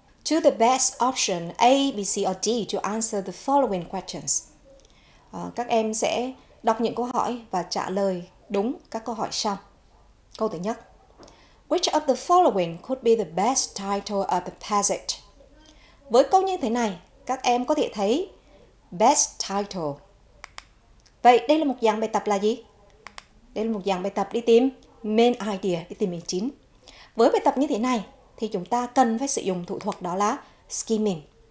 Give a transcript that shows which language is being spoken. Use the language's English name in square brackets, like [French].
[English] Choose the best option A, B, C or D to answer the following questions. [Vietnamese] Các em sẽ đọc những câu hỏi và trả lời đúng các câu hỏi sau. Câu thứ nhất. [English] Which of the following could be the best title of the passage? [Vietnamese] Với câu như thế này, các em có thể thấy best title. Vậy đây là một dạng bài tập là gì? Đây là một dạng bài tập đi tìm main idea, đi tìm ý chính. Với bài tập như thế này thì chúng ta cần phải sử dụng thủ thuật đó là skimming.